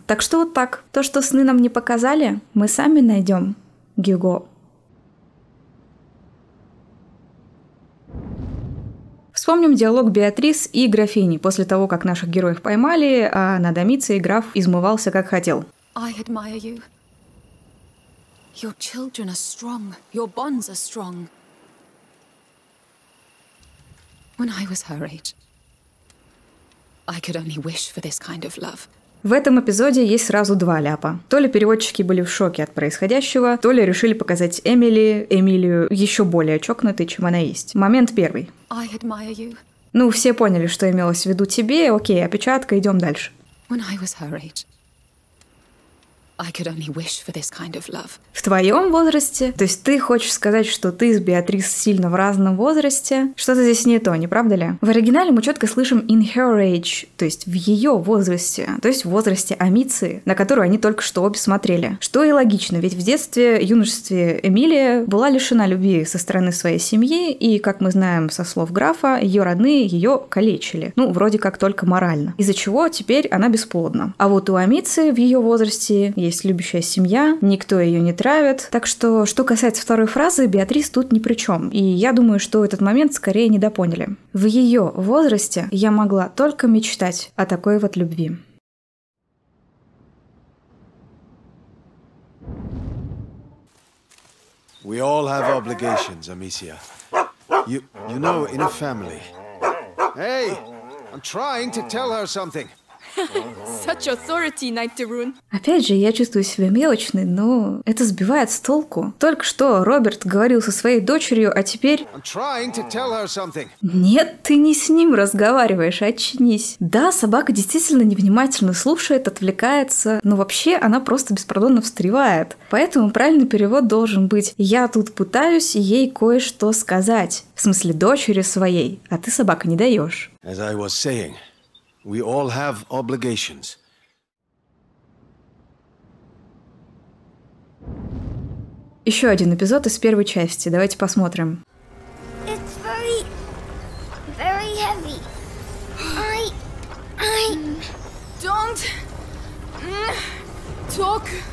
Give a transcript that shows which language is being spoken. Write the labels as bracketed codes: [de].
[ru] Так что вот так. То, что сны нам не показали, мы сами найдем. Гюго. Вспомним диалог Беатрис и графини после того, как наших героев поймали, а на Домиции граф измывался как хотел. [en] I admire you. Your children are strong. Your bonds are strong. When I was her age, I could only wish for this kind of love. [ru] В этом эпизоде есть сразу два ляпа. То ли переводчики были в шоке от происходящего, то ли решили показать Эмилию еще более чокнутой, чем она есть. Момент первый. [en] I admire you. [ru] Ну, все поняли, что имелось в виду тебе. Окей, опечатка, идем дальше. [en] When I was her age, I could only wish for this kind of love. [ru] В твоем возрасте? То есть ты хочешь сказать, что ты с Беатрис сильно в разном возрасте? Что-то здесь не то, не правда ли? В оригинале мы четко слышим [en] in her age, [ru] то есть в ее возрасте, то есть в возрасте Амиции, на которую они только что обе смотрели. Что и логично, ведь в детстве, юношестве Эмилия была лишена любви со стороны своей семьи, и, как мы знаем со слов графа, ее родные ее калечили. Ну, вроде как только морально. Из-за чего теперь она бесплодна. А вот у Амиции в ее возрасте есть любящая семья, никто ее не травит. Так что, что касается второй фразы, Беатрис тут ни при чем. И я думаю, что этот момент скорее недопоняли. В ее возрасте я могла только мечтать о такой вот любви. [en] We all have obligations, Amicia. You know, in a family. Hey, I'm trying to tell her something. Such authority, Knight Tyrune. [ru] Опять же, я чувствую себя мелочной, но это сбивает с толку. Только что Роберт говорил со своей дочерью, а теперь... [en] I'm trying to tell her something. [ru] Нет, ты не с ним разговариваешь, очнись. Да, собака действительно невнимательно слушает, отвлекается, но вообще она просто беспардонно встревает. Поэтому правильный перевод должен быть «Я тут пытаюсь ей кое-что сказать». В смысле, дочери своей, а ты, собака, не даешь. [en] As I was saying... We all have obligations. [ru] Еще один эпизод из первой части. Давайте посмотрим. [en] It's very, very heavy. I don't talk.